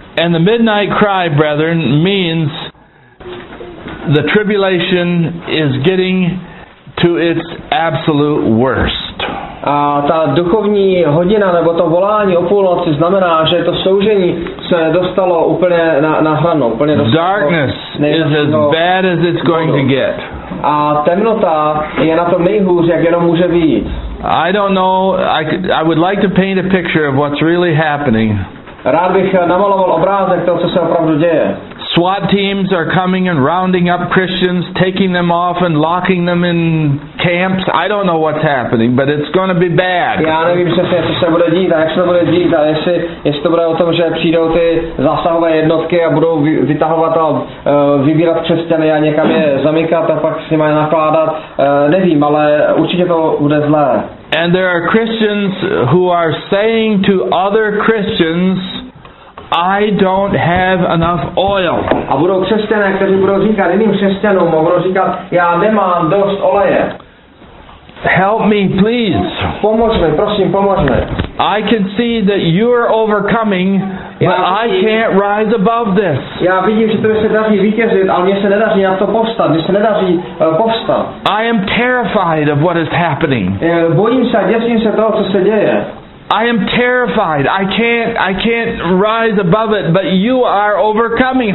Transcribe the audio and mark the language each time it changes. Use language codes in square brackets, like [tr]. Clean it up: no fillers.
[en] And the midnight cry, brethren, means the tribulation is getting to its absolute worst. [cs] A ta duchovní hodina nebo to volání o půlnoci znamená, že to soužení se dostalo úplně na hranu, úplně dostalo. [en] Darkness is as bad as it's going to get. [cs] A temnota je na tom nejhůř, jak jenom může být. [en] I don't know. I would like to paint a picture of what's really happening. [cs] Rád bych namaloval obrázek toho, co se opravdu děje. [en] SWAT teams are coming and rounding up Christians, taking them off and locking them in camps. I don't know what's happening, but it's going to be bad. [cs] Já nevím přesně, co se bude dít a jak se to bude dít, a jestli to bude o tom, že přijdou ty zásahové jednotky a budou vytahovat a vybírat křesťany a někam je zamykat a pak s nimi nakládat. Nevím, ale určitě to bude zlé. [en] And there are Christians who are saying to other Christians, I don't have enough oil. [cs] A budou křesťané, kteří budou říkat jiným křesťanům, budou říkat, já nemám dost oleje. [en] Help me, please. [cs] Pomoz mi, prosím, pomoz mi. [en] I can see that you're overcoming, but I can't rise above this. [cs] Já vidím, že to se daří vítězit, ale mně se nedaří na to povstat. Mně se nedaří povstat. [en] I am terrified of what is happening. [cs] Bojím se, děsím se toho, co se děje. [en] I am terrified. I can't rise above it, but you are overcoming.